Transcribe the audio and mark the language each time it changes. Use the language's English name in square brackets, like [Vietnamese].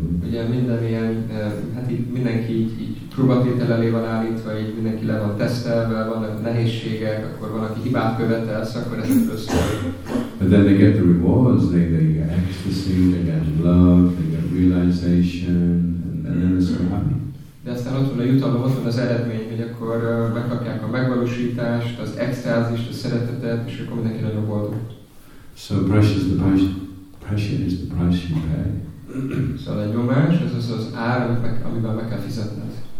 [Hungarian] Ugye minden ilyen, hát így mindenki így próbatétel elé van állítva, így mindenki le van tesztelve, vannak nehézségek, akkor van, aki hibát követelsz, akkor ezek összeolik. [English] But then they get the rewards, they get ecstasy, they get love, they get realization, and then they're so happy. [Hungarian] De aztán ott van a jutalom, ott van az eredmény, hogy akkor megkapják a megvalósítást, az extázist, a szeretetet, és akkor mindenki nagyon boldog. [English] So pressure is the price you pay. [Hungarian] Szóval egy nyomás, ez az az ár, amiben meg kell fizetned.